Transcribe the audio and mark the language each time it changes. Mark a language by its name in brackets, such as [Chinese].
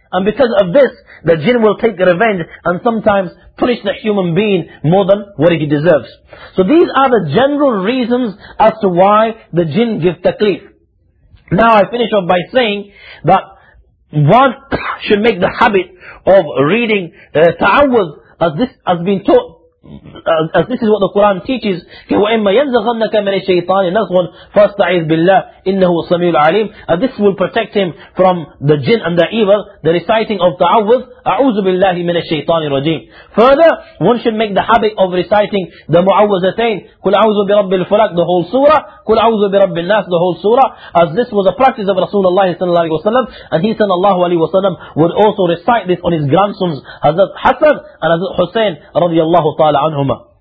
[English] And because of this, the jinn will take revenge and sometimes punish the human being more than what he deserves. So these are the general reasons as to why the jinn give taklif. Now I finish off by saying that one should make the habit of reading ta'awwuz as this has been taught as this is what the Quran teaches, [Arabic] وَإِمَّا يَنْزَغَنَّكَ مِنَ الشَّيْطَانِ نَزْغٌ فَاسْتَعِذْ بِاللَّهِ إِنَّهُ الصَّمِيعُ الْعَلِيمُ. [English] This will protect him from the jinn and the evil, the reciting of ta'awwudh, [Arabic] أَعُوذُ بِاللَّهِ مِنَ الشَّيْطَانِ الرَّجِيمِ. [English] Further, one should make the habit of reciting the mu'awwazatain, [Arabic] قُلْ أَعُوذُ بِرَبِّ الْفَلَقِ, [English] the whole surah, [Arabic] قُلْ أَعُوذُ بِرَبِّ النَّاسِ, [English] the whole surah, as this was a practice of Rasulullah sallallahu alayhi wa sallam, and he sallallahu alayhi wa sallam would also recite this on his grandsons, Hazrat Hassan and Hazrat Hussein radiyallahu ta'ala عنهما.